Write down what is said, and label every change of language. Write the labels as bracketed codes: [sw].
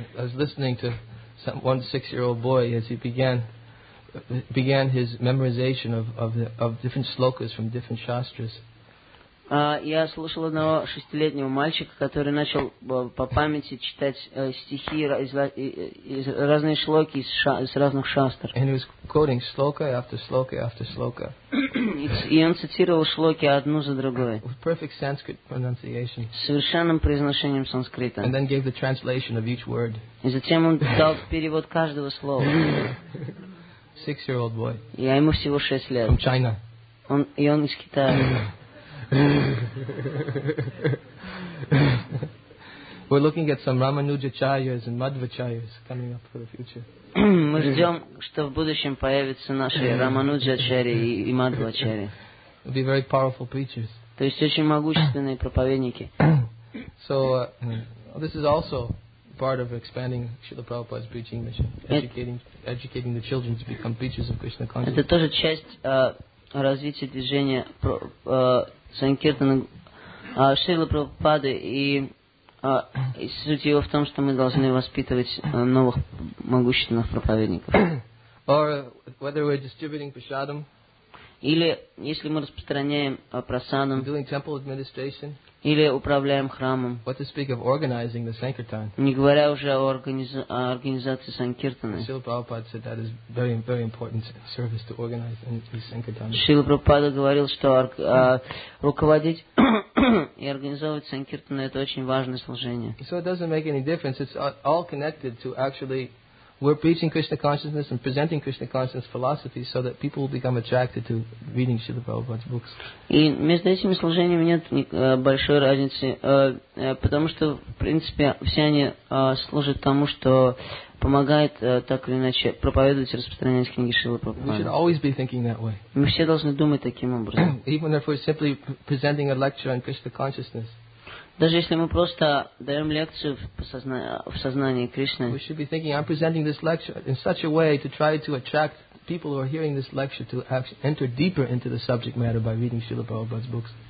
[en] I was listening to one six-year-old boy as he began his memorization of different slokas from different shastras. [ru] Я слушал одного шестилетнего мальчика, который начал по памяти читать стихи из разных шлоки из разных шастр. [en] And he was quoting shloka after shloka after shloka. [ru] И он цитировал шлоки одну за другой. [en] With perfect Sanskrit pronunciation. [ru] С совершенным произношением санскрита. [en] And then gave the translation of each word. [ru] И затем он дал перевод каждого слова. [en] Six-year-old boy. [ru] Я ему всего шесть лет. [en] From China. [ru] Он из Китая. [en] We're looking at some Ramanujacharyas and Madhvacharyas coming up for the future. [ru] Мы ждем, что в будущем появятся наши Рамануджачари и Мадхвачари. [en] Be very powerful preachers. [ru] То есть очень могущественные проповедники. [en] So this is also part of expanding Srila Prabhupada's preaching mission, educating the children to become preachers of Krishna consciousness. [ru] Это тоже часть развития движения Санкиртаны Шрилы Прабхупады и суть его в том, что мы должны воспитывать новых могущественных проповедников. [en] Or whether we're distributing prasadam, [ru] или если мы распространяем прасадам, [en] doing temple administration, [ru] или управляем храмом, [en] what to speak of organizing the sankirtan, [ru] не говоря уже о организации санкиртаны. [en] Шрила Прабхупада said that is very, very important service to organize and the sankirtan. [ru] Шрила Прабхупада говорил, что руководить и организовывать санкиртану – это очень важное служение. [en] So it doesn't make any difference. It's all connected to actually we're preaching Krishna consciousness and presenting Krishna consciousness philosophy so that people will become attracted to reading Srila Prabhupada's books. [ru] И между этими служениями нет большой разницы, потому что, в принципе, все они служат тому, что помогает так или иначе проповедовать и распространять книги Шрилы Прабхупады. [en] We should always be thinking that way. [ru] Мы все должны думать таким образом. [en] Even if we're simply presenting a lecture on Krishna consciousness. [ru] Даже если мы просто даем лекцию в сознании Кришны. [en] We should be thinking, I'm presenting this lecture in such a way to try to attract people who are hearing this lecture to enter deeper into the subject matter by reading Srila Prabhupada's books.